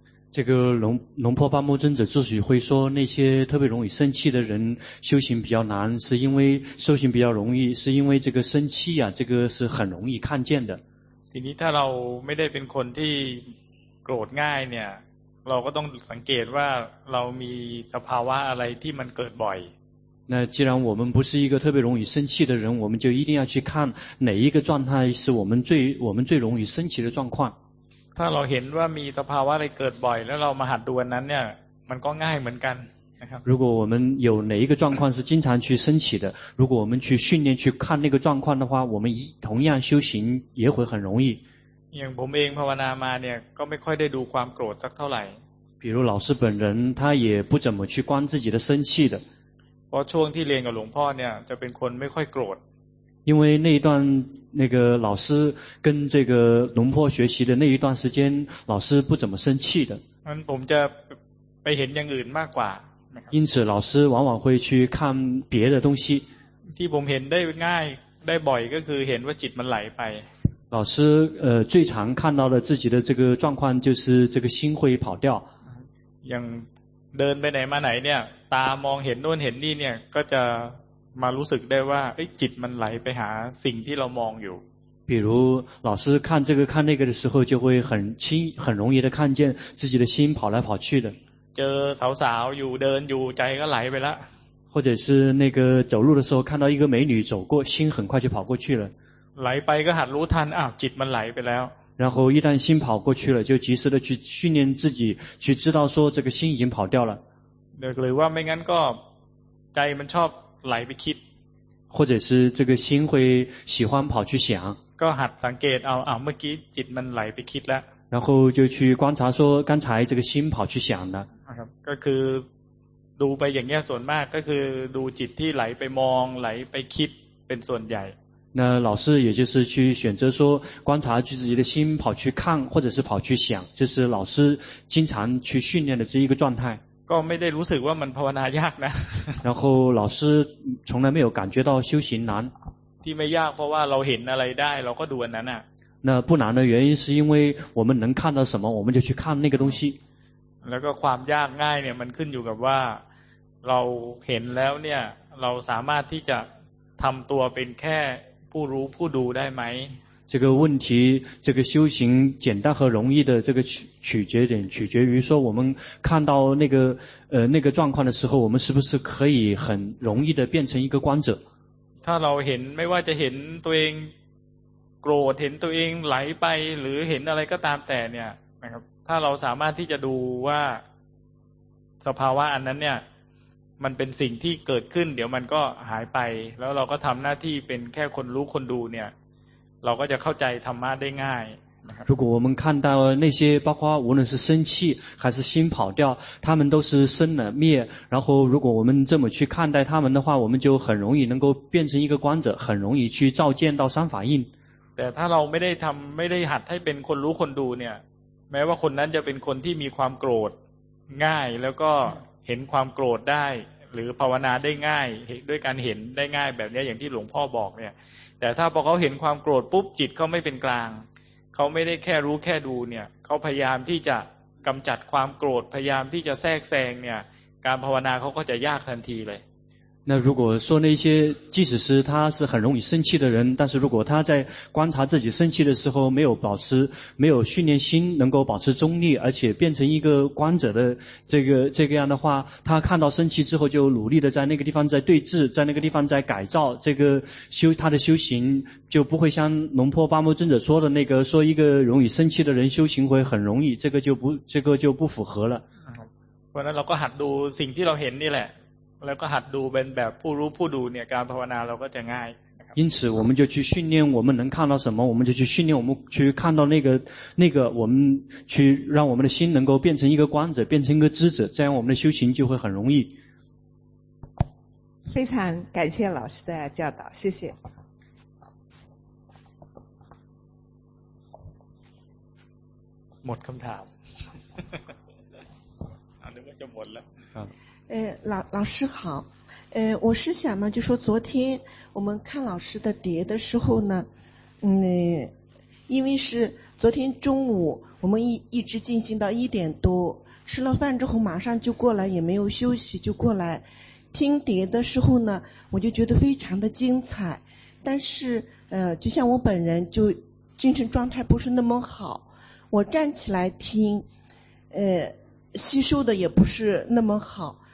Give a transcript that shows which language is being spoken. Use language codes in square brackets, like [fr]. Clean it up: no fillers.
[zh] 这个龙破八木尊者自己会说那些特别容易生气的人修行比较难是因为修行比较容易是因为这个生气啊这个是很容易看见的 [th] ทีนี้ถ้าเราไม่ได้เป็นคนที่โกรธง่ายเนี่ยเราก็ต้องสังเกตว่าเรามีสภาวะอะไรที่มันเกิดบ่อย [zh] 那既然我们不是一个特别容易生气的人，我们就一定要去看哪一个状态是我们最容易生气的状况。 [th] ถ้าเราเห็นว่ามีสภาวะอะไรเกิดบ่อยแล้วเรามาหัดดูอันนั้นเนี่ยมันก็ง่ายเหมือนกันนะครับ [zh] 如果我们有哪一个状况是经常去升起的，如果我们去训练去看那个状况的话，我们同样修行也会很容易。 [th] อย่างผมเองภาวนามาเนี่ยก็ไม่ค่อยได้ดูความโกรธสักเท่าไหร่ [zh] 比如老师本人他也不怎么去观自己的生气的 [th] เพราะช่วงที่เรียนกับหลวงพ่อเนี่ยจะเป็นคนไม่ค่อยโกรธ [zh] 因为那一段那个老师跟这个龙坡学习的那一段时间老师不怎么生气的 [th] นั้นผมจะไปเห็นอย่างอื่นมากกว่า [zh] 因此老师往往会去看别的东西 [th] ที่ผมเห็นได้ง่ายได้บ่อยก็คือเห็นว่าจิตมันไหลไป [zh] 老师最常看到的自己的这个状况就是这个心会跑掉 [th] อย่างเดินไปไหนมาไหนเนี่ยตามองเห็นโน่นเห็นนี่เนี่ยก็จะมารู้สึกได้ว่าจิตมันไหลไปหาสิ่งที่เรามองอยู่ [zh] 比如老师看这个看那个的时候就会很轻很容易的看见自己的心跑来跑去的 [th] เจอสาวสาวอยู่เดินอยู่ใจก็ไหลไปละ [zh] 或者是那个走路的时候看到一个美女走过心很快就跑过去了 [th] ไหลไปก็หัดรู้ทันอ้าวจิตมันไหลไปแล้ว [zh] 然后一旦心跑过去了就及时的去训练自己去知道说这个心已经跑掉了 [th] หรือว่าไม่งั้นก็ใจมันชอบไหลไปคิด [zh] 或者是这个心会喜欢跑去想 [th] ก็หัดสังเกตเอาเมื่อกี้จิตมันไหลไปคิดแล้ว [zh] 然后就去观察说刚才这个心跑去想的 [th] ก็คือดูไปอย่างเงี้ยส่วนมากก็คือดูจิตที่ไหลไปมองไหลไปคิดเป็นส่วนใหญ่ [zh] 那老师也就是去选择说观察自己的心跑去看或者是跑去想这是老师经常去训练的这一个状态 [th] ก็ไม่ได้รู้สึกว่ามันภาวนายากนะ [zh] 然后老师从来没有感觉到修行难 [th] ที่ไม่ยากเพราะว่าเราเห็นอะไรได้เราก็ดูอันนั้นอ่ะ [zh] 那不难的原因是因为我们能看到什么我们就去看那个东西 [th] แล้วก็ความยากง่ายเนี่ยมันขึ้นอยู่กับว่าเราเห็นแล้วเนี่ยเราสามารถที่จะทำตัวเป็นแค่ผู้รู้ผู้ดูได้ไหม [zh] 这个问题这个修行简单和容易的这个取决点取决于说我们看到那个那个状况的时候我们是不是可以很容易的变成一个观者 [th] ถ้าเราเห็นไม่ว่าจะเห็นตัวเองโกรธเห็นตัวเองไหลไปหรือเห็นอะไรก็ตามแต่เนี่ยนะครับถ้าเราสามารถที่จะดูว่าสภาวะอันนั้นเนี่ยมันเป็นสิ่งที่เกิดขึ้นเดี๋ยวมันก็หายไปแล้วเราก็ทําหน้าที่เป็นแค่คนรู้คนดูเนี่ยเราก็จะเข้าใจธรรมะได้ง่าย [zh] 如果我们看到那些包括无论是生气还是心跑掉他们都是生了灭然后如果我们这么去看待他们的话我们就很容易能够变成一个观者很容易去照见到三法印 [th] แต่ถ้าเราไม่ได้ทําไม่ได้หัดให้เป็นคนรู้คนดูเนี่ยแม้ว่าคนนั้นจะเป็นคนที่มีความโกรธง่ายแล้วก็เห็นความโกรธได้หรือภาวนาได้ง่ายด้วยการเห็นได้ง่ายแบบนี้อย่างที่หลวงพ่อบอกเนี่ยแต่ถ้าพอเขาเห็นความโกรธปุ๊บจิตเขาไม่เป็นกลางเขาไม่ได้แค่รู้แค่ดูเนี่ยเขาพยายามที่จะกำจัดความโกรธพยายามที่จะแทรกแซงเนี่ยการภาวนาเขาก็จะยากทันทีเลย [zh] 那如果说那些即使是他是很容易生气的人但是如果他在观察自己生气的时候没有保持没有训练心能够保持中立而且变成一个观者的这个样的话他看到生气之后就努力的在那个地方在对峙在那个地方在改造这个修他的修行就不会像龙坡巴木尊者说的那个说一个容易生气的人修行会很容易这个就不符合了反正我们还读 [th] สิ่งที่เราเห็นนี่แหละแล้วก็หัดดูเป็นแบบผู้รู้ผู้ดูเนี่ยการภาวนาเราก็จะง่าย [zh] 因此我们就去训练我们能看到什么我们就去训练我们去看到那个我们去让我们的心能够变成一个观者变成一个知者这样我们的修行就会很容易非常感谢老师的教导谢谢 [th] หมดคำถามนึกว่าจะหมดแล้ว [zh] 老师好，我是想呢，就说昨天我们看老师的碟的时候呢，因为是昨天中午我们一直进行到一点多，吃了饭之后马上就过来，也没有休息就过来听碟的时候呢，我就觉得非常的精彩，但是就像我本人就精神状态不是那么好，我站起来听，吸收的也不是那么好。